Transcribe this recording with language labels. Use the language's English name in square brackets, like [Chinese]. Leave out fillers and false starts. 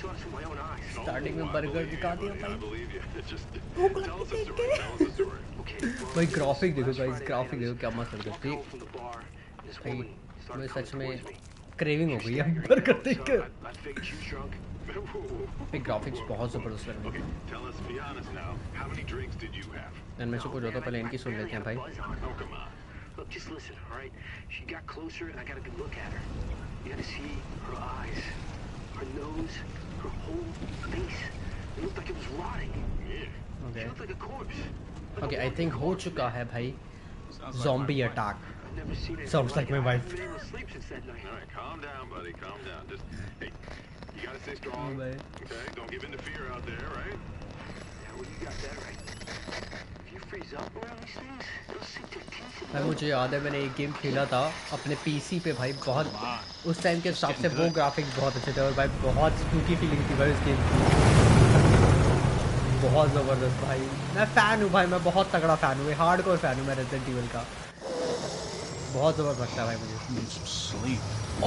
[Hindi] Okay starting में burger दिखा दिया भाई, ग्राफिक देखो गाइस, ग्राफिक देखो क्या मस्त लगता है भाई। मैं सच में क्रेविंग हो गई है बर्गर देख के। ग्राफिक्स बहुत जबरदस्त लग रहे हैं। मैं चुप हो जाता हूं, पहले इनकी सुन लेते हैं भाई। [English] Look, just listen, all right? She got closer and I got a good look at her. You had to see her eyes, her nose, her whole face. It looked like it was rotting. Yeah. Okay. She looked like a corpse. Like okay, a I think corpse, [Hindi] ho chuka hai, bhai. [English] Zombie attack. Sounds like my wife. All right, calm down, buddy, calm down. Just, hey, you gotta stay strong, okay? Don't give in to fear out there, right? Yeah, well, you got that right. [Hindi] मुझे याद है मैंने एक game खेला था अपने PC पे भाई, बहुत उस टाइम के हिसाब से वो ग्राफिक्स बहुत अच्छे थे और भाई बहुत स्पूकी फीलिंग थी भाई उस गेम की, बहुत ज़बरदस्त भाई। मैं फ़ैन हूँ भाई, मैं बहुत तगड़ा फ़ैन हूँ, हार्ड कोर फ़ैन हूँ मैं रेजिडेंट एविल का, बहुत ज़बरदस्त लगता है भाई मुझे।